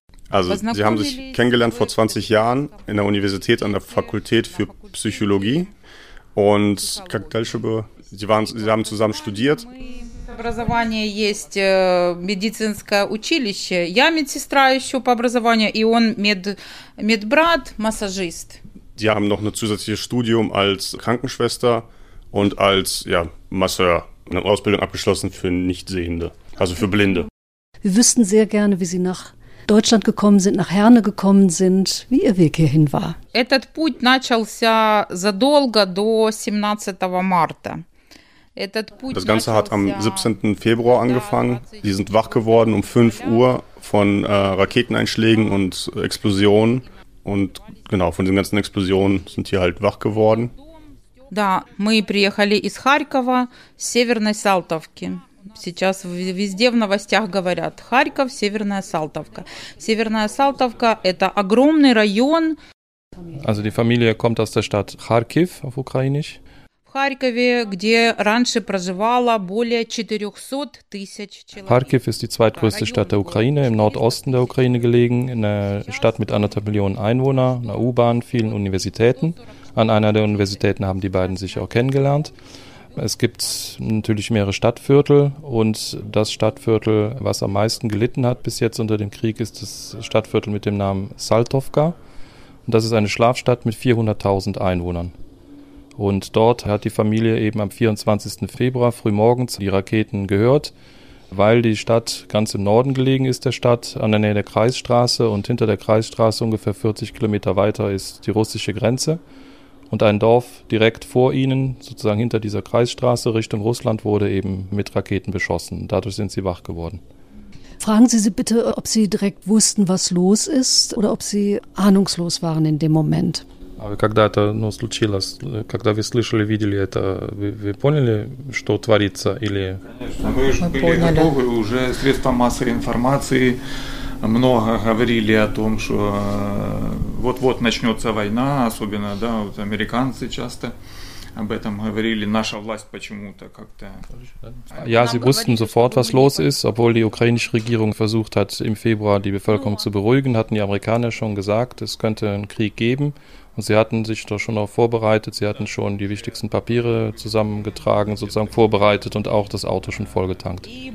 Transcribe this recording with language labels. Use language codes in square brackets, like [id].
[de] Also, sie haben sich kennengelernt vor 20 Jahren in der Universität an der Fakultät für Psychologie und sie haben zusammen studiert. [ru] Образование есть медицинское училище. Я медсестра ещё по образованию, і он медбрат, масажист. [de] Sie haben noch ein zusätzliches Studium als Krankenschwester und als Masseur, eine Ausbildung abgeschlossen für Nichtsehende, also für Blinde. Wir wüssten sehr gerne, wie Sie nach Deutschland gekommen sind, nach Herne gekommen sind, wie Ihr Weg hierhin war. [ru] Этот путь начался задолго до 17 марта. [de] Das Ganze hat am 17. Februar angefangen. Sie sind wach geworden um 5 Uhr von Raketeneinschlägen und Explosionen. Und genau, von den ganzen Explosionen sind hier halt wach geworden. [ru] Да, мы приехали из Харькова, с Северной Салтовки. Сейчас везде в новостях говорят: Харьков, Северная Салтовка. Северная Салтовка – это огромный район. [de] Also die Familie kommt aus der Stadt Kharkiv auf Ukrainisch. [ru] В Харькове, где раньше проживало более 400 тысяч человек. [de] Харьков ist die zweitgrößte Stadt der Ukraine, im Nordosten der Ukraine gelegen, in einer Stadt mit 1,5 Millionen Einwohner, einer U-Bahn, vielen Universitäten. An einer der Universitäten haben die beiden sich auch kennengelernt. Es gibt natürlich mehrere Stadtviertel und das Stadtviertel, was am meisten gelitten hat bis jetzt unter dem Krieg, ist das Stadtviertel mit dem Namen Saltovka. Und das ist eine Schlafstadt mit 400.000 Einwohnern. Und dort hat die Familie eben am 24. Februar frühmorgens die Raketen gehört, weil die Stadt ganz im Norden gelegen ist, der Stadt, an der Nähe der Kreisstraße. Und hinter der Kreisstraße, ungefähr 40 Kilometer weiter, ist die russische Grenze. Und ein Dorf direkt vor ihnen, sozusagen hinter dieser Kreisstraße Richtung Russland, wurde eben mit Raketen beschossen. Dadurch sind sie wach geworden. Fragen Sie sie bitte, ob Sie direkt wussten, was los ist, oder ob Sie ahnungslos waren in dem Moment. [ru] Aber когда это ну случилось, когда вы слышали, видели это, вы поняли, что творится, или? Конечно, мы же были готовы уже средства массовой информации. Много говорили о том, что вот-вот начнется война, особенно, да, вот американцы часто об этом говорили, наша власть почему-то как-то... [de] Ja, sie wussten sofort, was los ist, obwohl die ukrainische Regierung versucht hat, im Februar die Bevölkerung zu beruhigen, hatten die Amerikaner schon gesagt, es könnte einen Krieg geben. Und sie hatten sich doch schon auch vorbereitet, sie hatten schon die wichtigsten Papiere zusammengetragen, sozusagen vorbereitet und auch das Auto schon vollgetankt.